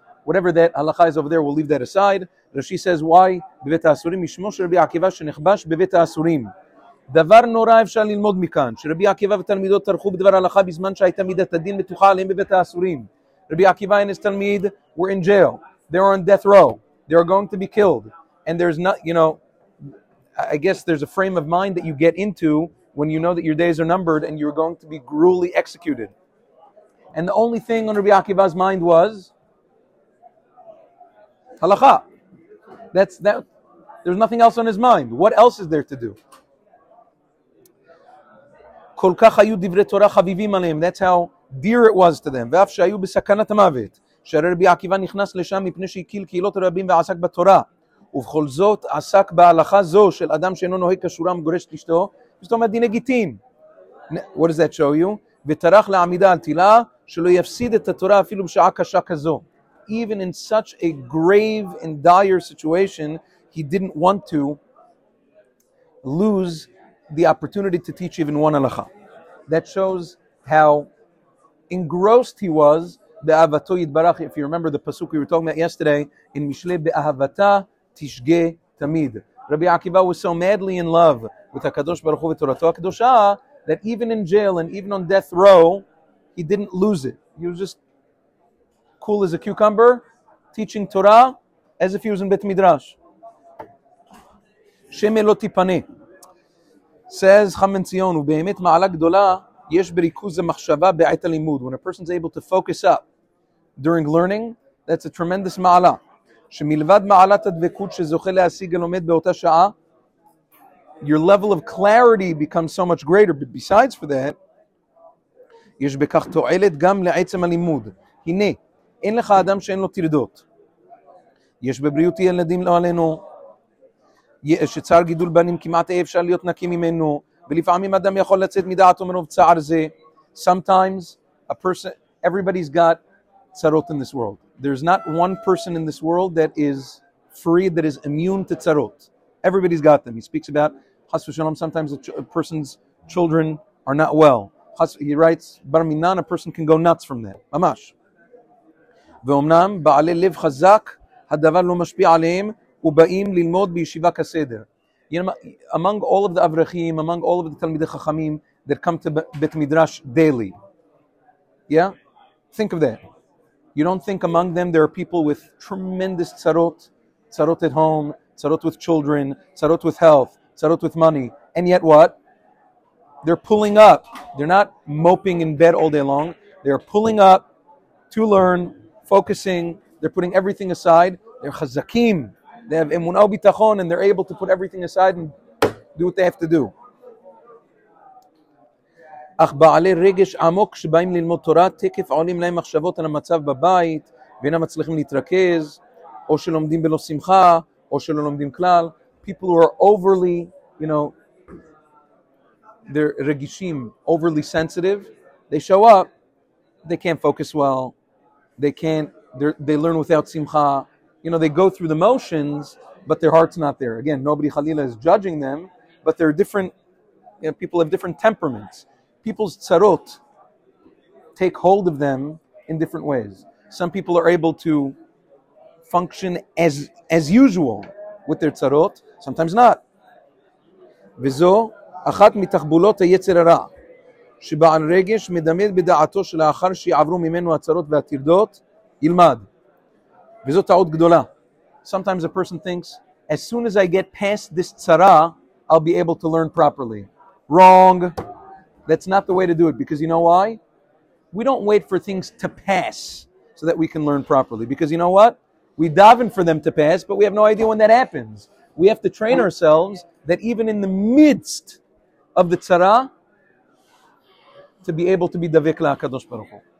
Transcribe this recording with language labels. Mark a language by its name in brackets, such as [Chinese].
[English] Whatever that halacha is over there, we'll leave that aside. Rashi says why [Hebrew] bevet ha'asurim mishmo Rabbi Akiva she'nechbash bevet ha'asurim. דבר נורא אפשר ללמוד מכאן, שרבי עקיבא ותלמידות תרחו בדבר הלכה בזמן שהייתה מידת הדין מתוחה עליהם בבית האסורים. [English] רבי עקיבא and his תלמיד were in jail. They were on death row. They are going to be killed. And there's not, you know, I guess there's a frame of mind that you get into when you know that your days are numbered and you're going to be gruelly executed. And the only thing on Rabbi Akiva's mind was הלכה. There's nothing else on his mind. What else is there to do? [Hebrew] כל כך היו דברי תורה חביבים עליהם. [English] That's how dear it was to them. [Hebrew] ואף שהיו בסכנת המוות, שהרי רבי עקיבא נכנס לשם מפני שהקיל קהילות רבים ועסק בתורה. ובכל זאת עסק בהלכה זו של אדם שאינו נוהג כשורה מגורש את אשתו. זאת אומרת דיני גיטין. [English] What does that show you? [Hebrew] וטרח לעמידה על תילה שלא יפסיד את התורה אפילו בשעה קשה כזו. [English] Even in such a grave and dire situation, he didn't want to lose the opportunity to teach even one halakha. That shows how engrossed he was [Hebrew] be'ahavato yitbarach. [English] If you remember the pasuk we were talking about yesterday in Mishle, [Hebrew] be'ahavata tishge tamid, [English] Rabbi Akiva was so madly in love with HaKadosh Baruch Hu [Hebrew] v'torato HaKadosha [English] that even in jail and even on death row he didn't lose it. He was just cool as a cucumber teaching Torah as if he was in Bet Midrash. [Hebrew] Sheme lo tipane, says Chaim Tzion, ובאמת מעלה גדולה יש בריכוז המחשבה בעת הלימוד. [English] When a person is able to focus up during learning, that's a tremendous מעלה. [Hebrew] שמלבד מעלת הדבקות שזוכה להשיג הלומד באותה שעה, [English] your level of clarity becomes so much greater. But besides for that, [Hebrew] יש בכך תועלת גם לעצם הלימוד. הנה, אין לך אדם שאין לו תרדות. יש בבריאותי ילדים לא עלינו. שצער גידול בנים כמעט אי אפשר להיות נקי ממנו, ולפעמים אדם יכול לצאת מדעתו מרוב צער זה. [English] Sometimes a person, everybody's got צרות in this world. There's not one person in this world that is free, that is immune to צרות. Everybody's got them. He speaks about, [Hebrew] חס ושלום, [English] sometimes a person's children are not well. He writes, [Hebrew] בר מינן, [English] a person can go nuts from that. [Hebrew] ממש. ואומנם בעלי לב חזק, הדבר לא משפיע עליהם, ובאים ללמוד בישיבה כסדר. [English] You know, among all of the avrachim, among all of the [Hebrew] talmidei chachamim [English] that come to Bet Midrash daily. Yeah? Think of that. You don't think among them there are people with tremendous tzarot, tzarot at home, tzarot with children, tzarot with health, tzarot with money. And yet what? They're pulling up. They're not moping in bed all day long. They're pulling up to learn, focusing. They're putting everything aside. They're chazakim. They have emunah u'bitachon, and they're able to put everything aside and do what they have to do. [Hebrew] אך בעלי רגש עמוק שבאים ללמוד תורה, תקף עולים להם מחשבות על המצב בבית, ואינם מצליחים להתרכז, או שלומדים בלא שמחה, או שלא לומדים כלל. [English] People who are overly, you know, they're רגישים, overly sensitive, they show up, they can't focus well, they learn without שמחה. You know, they go through the motions, but their heart's not there. Again, nobody chalila is judging them, but they're different, you know, people have different temperaments. People's tzarot take hold of them in different ways. Some people are able to function as usual with their tzarot, sometimes not. [Hebrew] וזו אחת מתחבולות היצר הרע, שבעל רגש מדמיד בדעתו שלאחר שיעברו ממנו הצרות והתרדות, ילמד. וזו טעות גדולה. [English] Sometimes a person thinks, as soon as I get past this tzara, I'll be able to learn properly. Wrong. That's not the way to do it, because you know why? We don't wait for things to pass so that we can learn properly. Because you know what? We daven for them to pass, but we have no idea when that happens. We have to train ourselves that even in the midst of the tzara, to be able to be [Hebrew] davek la'kadosh baruch hu.